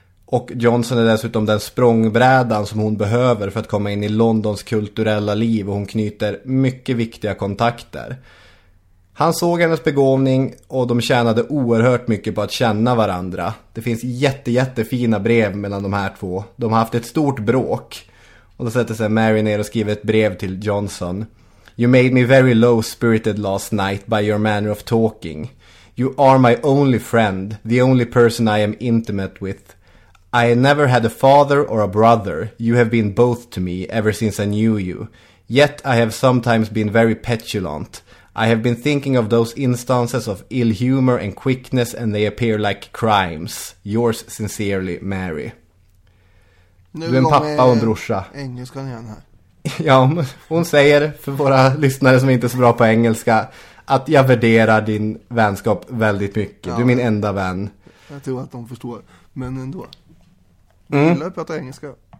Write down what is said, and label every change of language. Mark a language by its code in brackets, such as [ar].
[sv] Och Johnson är dessutom den språngbrädan som hon behöver för att komma in i Londons kulturella liv, och hon knyter mycket viktiga kontakter. Han såg hennes begåvning och de tjänade oerhört mycket på att känna varandra. Det finns jättefina brev mellan de här två. De har haft ett stort bråk. Och då sätter sig Mary ner och skriver ett brev till Johnson. [en] You made me very low-spirited last night by your manner of talking. You are my only friend, the only person I am intimate with. I never had a father or a brother. You have been both to me ever since I knew you. Yet I have sometimes been very petulant. I have been thinking of those instances of ill humor and quickness, and they appear like crimes. Yours sincerely, Mary. [sv] Nu du är en pappa och en brorsa. Engelskan igen här. Ja, hon säger för våra lyssnare som inte är så bra på engelska att jag värderar din vänskap väldigt mycket. Ja, du är min enda vän. Jag tror att de förstår, men ändå. Jag gillar att prata engelska.